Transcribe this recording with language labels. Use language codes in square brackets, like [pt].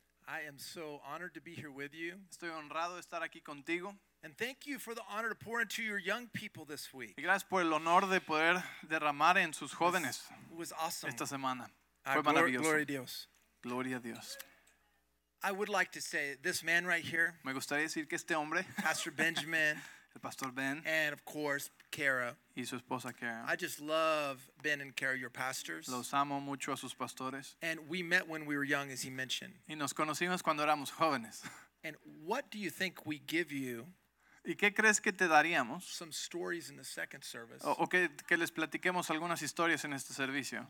[en] I am so honored to be here with you. [es] Estoy honrado de estar aquí contigo. [en] And thank you for the honor to pour into your young people this week. [es] Y gracias por el honor de poder derramar en sus jóvenes. [en] It was awesome. [es] Esta semana. Fue maravilloso. Gloria a Dios. Gloria a Dios. [en] I would like to say this man right here. [es] Me gustaría decir que este hombre. [en] Pastor Benjamin. [es] El pastor Ben. [en] And of course, Kara. [es] Y su esposa Kara. [en] I just love Ben and Kara, your pastors. [es] Los amo mucho a sus pastores. [en] And we met when we were young, as he mentioned. [es] Y nos conocimos cuando éramos jóvenes. [en] And what do you think we give you? [es] ¿Y qué crees que te daríamos? [en] Some stories in the second service. [es] O que les platiquemos algunas historias en este servicio.